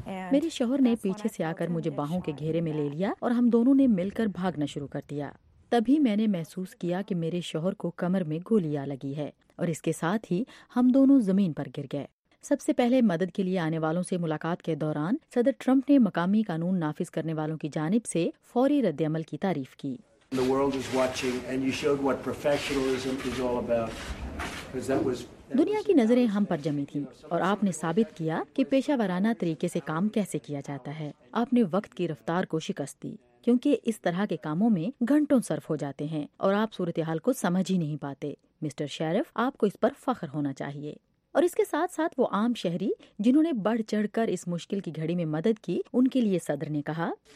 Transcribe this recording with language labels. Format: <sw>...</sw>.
<ur>میرے شوہر نے پیچھے سے آ کر مجھے باہوں کے گھیرے میں لے لیا اور ہم دونوں نے مل کر بھاگنا شروع کر دیا. تبھی میں نے محسوس کیا کہ میرے شوہر کو کمر میں گولیاں لگی ہے اور اس کے ساتھ ہی ہم دونوں زمین پر گر گئے۔ سب سے پہلے مدد کے لیے آنے والوں سے ملاقات کے دوران صدر ٹرمپ نے مقامی قانون نافذ کرنے والوں کی جانب سے فوری رد عمل کی تعریف کی۔</ur> <en>The world is watching and you showed what professionalism is all about.</en> <ur>دنیا کی نظریں ہم پر جمی تھیں اور آپ نے ثابت کیا کہ پیشہ ورانہ طریقے سے کام کیسے کیا جاتا ہے۔ آپ نے وقت کی رفتار کو شکست دی کیونکہ اس طرح کے کاموں میں گھنٹوں صرف ہو جاتے ہیں اور آپ صورتحال کو سمجھ ہی نہیں پاتے۔ مسٹر شیرف، آپ کو اس پر فخر ہونا چاہیے۔ اور اس کے ساتھ ساتھ وہ عام شہری جنہوں نے بڑھ چڑھ کر اس مشکل کی گھڑی میں مدد کی، ان کے لیے صدر نے کہا،</ur>